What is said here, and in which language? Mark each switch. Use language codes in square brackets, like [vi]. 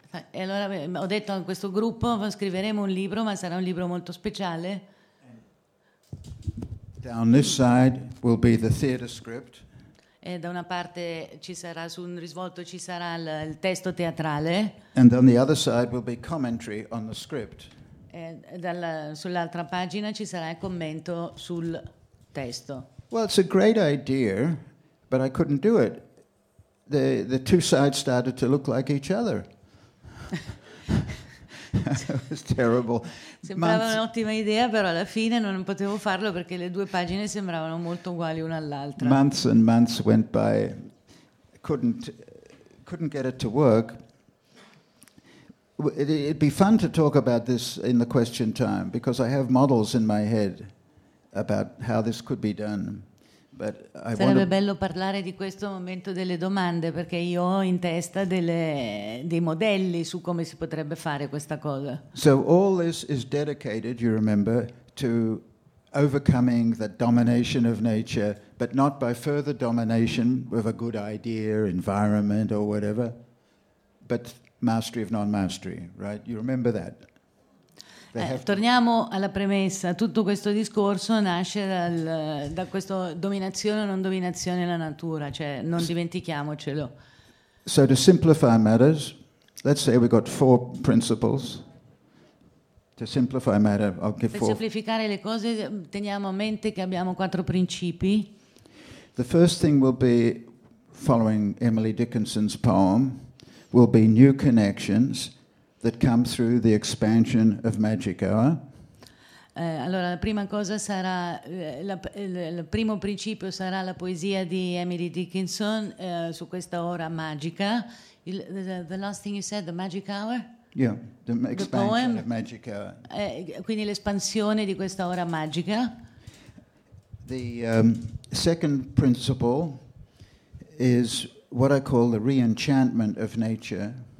[it] E allora ho detto a questo gruppo, scriveremo un libro, ma sarà un libro molto speciale. [en] Down this side will be the theater script. [it] E da una parte ci sarà, su un risvolto ci sarà il testo teatrale. [en] And on the other side will be commentary on the script. [it] E sull'altra pagina ci sarà il commento sul testo. [en] Well, it's a great idea, but I couldn't do it. The two sides started to look like each other. It was terrible. [it] Sembrava un'ottima idea, però alla fine non potevo farlo perché le due pagine sembravano molto uguali una all'altra. [en] Months and months went by. Couldn't get it to work. It'd be fun to talk about this in the question time because I have models in my head about how this could be done. But I [it] sarebbe bello parlare di questo momento delle domande perché io ho in testa dei modelli su come si potrebbe fare questa cosa. [en] So all this is dedicated, you remember, to overcoming the domination of nature, but not by further domination with a good idea, environment or whatever, but mastery of non-mastery, right? You remember that? [it] Torniamo alla premessa. Tutto questo discorso nasce da questa dominazione o non dominazione della natura, cioè non dimentichiamocelo. [en] So to simplify matters, let's say we got four principles. To simplify matter, I'll give [it] per [en] four. [it] Semplificare le cose, teniamo a mente che abbiamo quattro principi. [en] The first thing will be, following Emily Dickinson's poem, will be new connections that come through the expansion of magic hour. [it] Allora la prima cosa sarà il primo principio sarà la poesia di Emily Dickinson su questa ora magica. [en] The last thing you said, the magic hour? Yeah, the expansion the poem, of magic hour. [it] Quindi l'espansione di questa ora magica. [en] The second principle is what I call the re-enchantment of nature.